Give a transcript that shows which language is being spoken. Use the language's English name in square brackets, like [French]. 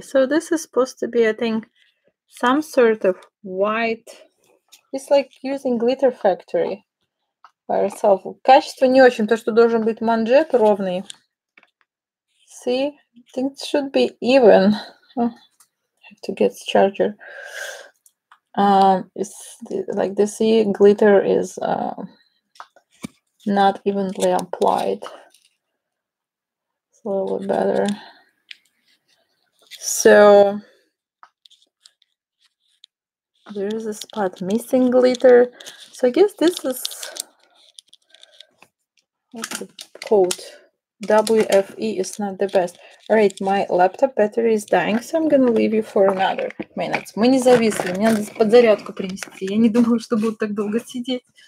[English] So this is supposed to be, I think, some sort of white. It's like using Glitter Factory by herself. [Russian] Качество не очень, то, что должен быть манжет ровный. [English] See? I think it should be even. Oh, I have to get the charger. It's like the see glitter is not evenly applied. It's a little bit better. So there is a spot missing glitter. So I guess this is... What's the coat? WFE is not the best. All right, my laptop battery is dying, so I'm gonna leave you for another minute. [Russian] Мы не зависли, мне надо подзарядку принести. Я не думала, что буду так долго сидеть.